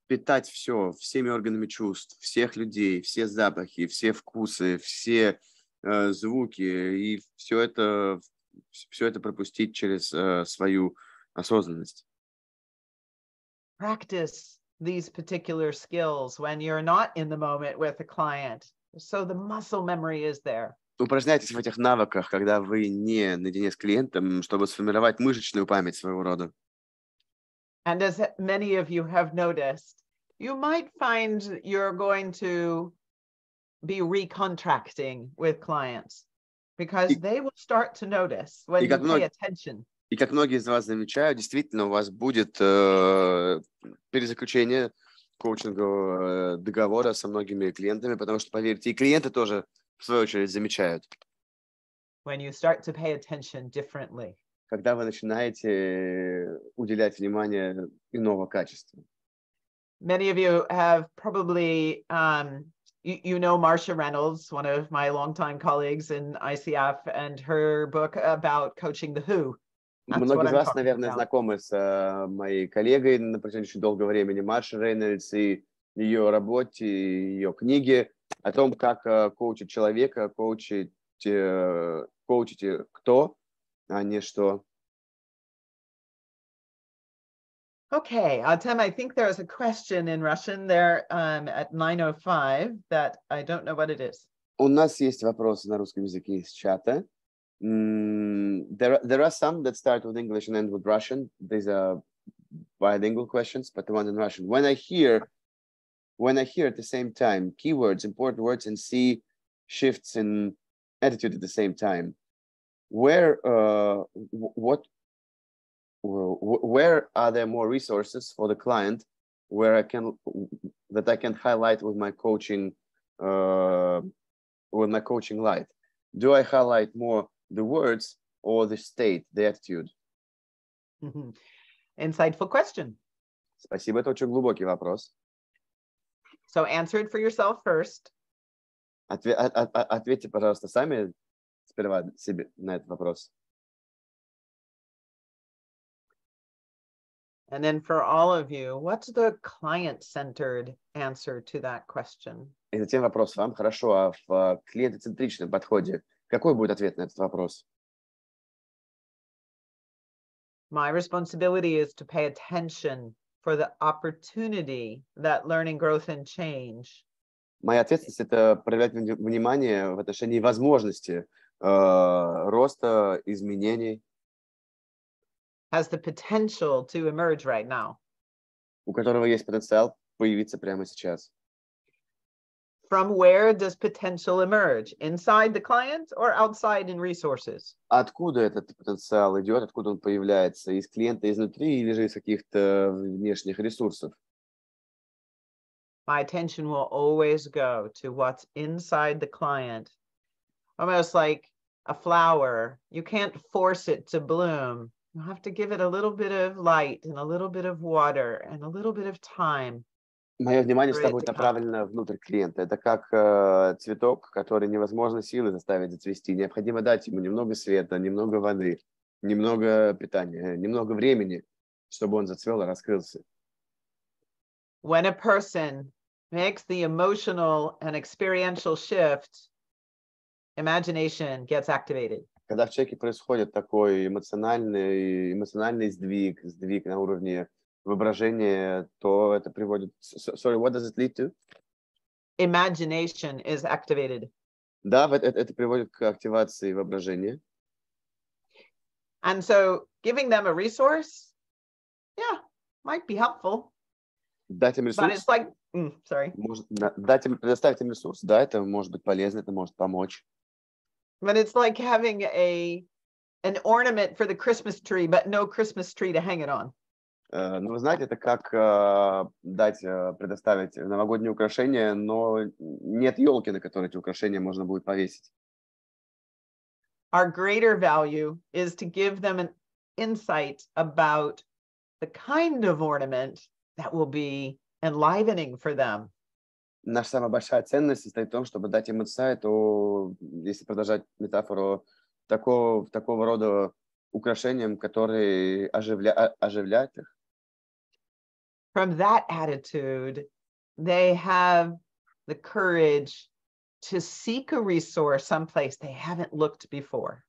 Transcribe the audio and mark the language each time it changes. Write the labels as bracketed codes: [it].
[ru] Питать все, всеми органами чувств, всех людей, все запахи, все вкусы, все звуки, и все это пропустить через свою осознанность. [en] Practice these particular skills when you're not in the moment with a client, so the muscle memory is there. [ru] Упражняйтесь в этих навыках, когда вы не наедине с клиентом, чтобы сформировать мышечную память своего рода. [en] And as many of you have noticed, you might find you're going to be recontracting with clients because they will start to notice when you pay attention. [ru] И как многие из вас замечают, действительно, у вас будет перезаключение коучингового договора со многими клиентами, потому что, поверьте, и клиенты тоже, в свою очередь, замечают. [en] When you start to pay attention differently. [ru] Когда вы начинаете уделять внимание иного качества. [en] Many of you have probably, you know Marcia Reynolds, one of my longtime colleagues in ICF, and her book about coaching the who. [ru] Многие из вас, наверное, знакомы с моей коллегой на протяжении очень долгого времени, Маршей Рейнольдс, и ее работе, и ее книге о том, как коучить человека, коучить кто, а не что. [en] Okay, Artem, I think there is a question in Russian there at 9:05 that I don't know what it is. [ru] У нас есть вопросы на русском языке из чата. [en] There are some that start with English and end with Russian. These are bilingual questions, but the one in Russian. When I hear at the same time keywords, important words, and see shifts in attitude at the same time, where are there more resources for the client where I can that I can highlight with my coaching light? Do I highlight more the words or the state, the attitude? Insightful question. [ru] Спасибо, это очень глубокий вопрос. [en] So answer it for yourself first. [ru] Ответьте, пожалуйста, сами сперва себе на этот вопрос. [en] And then for all of you, what's the client-centered answer to that question? [ru] И затем вопрос вам, хорошо, а в клиентоцентричном подходе какой будет ответ на этот вопрос? [en] My responsibility is to pay attention for the opportunity that learning, growth, and change. [ru] Моя ответственность – это проявлять внимание в отношении возможности роста, изменений. [en] Has the potential to emerge right now. [ru] У которого есть потенциал появиться прямо сейчас. [en] From where does potential emerge? Inside the client or outside in resources? [ru] Откуда этот потенциал идет? Откуда он появляется? Из клиента изнутри или же из каких-то внешних ресурсов? [en] My attention will always go to what's inside the client. Almost like a flower. You can't force it to bloom. You have to give it a little bit of light and a little bit of water and a little bit of time. [ru] Мое внимание с тобой направлено внутрь клиента. Это как цветок, который невозможно силы заставить зацвести. Необходимо дать ему немного света, немного воды, немного питания, немного времени, чтобы он зацвел и раскрылся. [en] When a person makes the emotional and experiential shift, imagination gets activated. [ru] Когда в человеке происходит такой эмоциональный сдвиг, сдвиг на уровне воображение, то это приводит... [en] Sorry, what does it lead to? Imagination is activated. [ru] Да, это приводит к активации воображения. [en] And so, giving them a resource, yeah, might be helpful. [ru] Дать им ресурс? [en] But it's like... Sorry. [ru] Может, дать им, предоставить им ресурс. Да, это может быть полезно, это может помочь. [en] But it's like having an ornament for the Christmas tree, but no Christmas tree to hang it on. [ru] Ну, вы знаете, это как предоставить новогодние украшения, но нет елки, на которой эти украшения можно будет повесить. [en] Our greater value is to give them an insight about the kind of ornament that will be enlivening for them. [ru] Наша самая большая ценность состоит в том, чтобы дать им инсайт, если продолжать метафору, такого рода украшениям, которые оживляют их. [en] From that attitude, they have the courage to seek a resource someplace they haven't looked before.